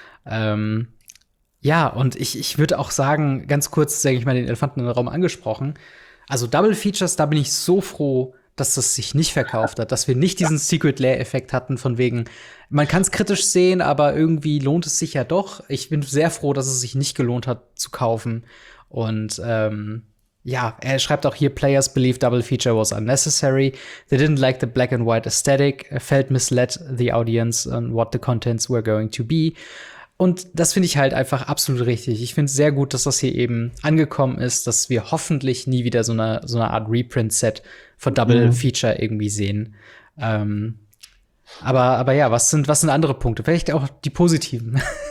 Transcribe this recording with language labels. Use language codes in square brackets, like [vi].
[de] Ja, und ich würde auch sagen, ganz kurz, sage ich mal, den Elefanten im Raum angesprochen, also Double Features, da bin ich so froh, dass das sich nicht verkauft hat, dass wir nicht diesen Secret-Lair-Effekt hatten, von wegen, man kann es kritisch sehen, aber irgendwie lohnt es sich ja doch. Ich bin sehr froh, dass es sich nicht gelohnt hat, zu kaufen. Und Ja, er schreibt auch hier, [en] Players believe double feature was unnecessary. They didn't like the black and white aesthetic, felt misled the audience on what the contents were going to be. [de] Und das finde ich halt einfach absolut richtig. Ich finde es sehr gut, dass das hier eben angekommen ist, dass wir hoffentlich nie wieder so eine Art Reprint-Set von Double Feature irgendwie sehen. Aber ja, was sind andere Punkte? Vielleicht auch die positiven.